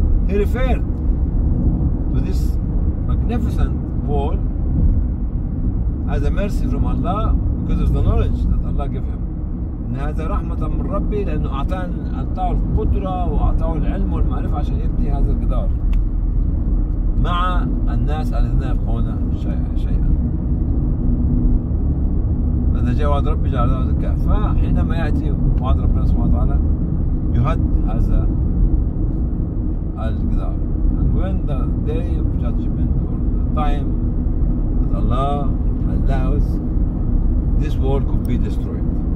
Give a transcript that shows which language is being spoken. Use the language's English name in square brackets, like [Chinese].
[English] He referred to this magnificent wall as a mercy from Allah because of the knowledge that Allah gave him. [Arabic] إن هذا رحمة من ربي لأنه أعطاه القدرة وأعطاه العلم والمعرفة عشان يبني هذا الجدار مع الناس الذين يفقهون شيئا. فإذا جاء وعد ربي جعله دكاء. فحينما يأتي وعد ربنا سبحانه وتعالى يهد هذا الجدار. [English] And when the day of judgment or the time that Allah allows, this world could be destroyed.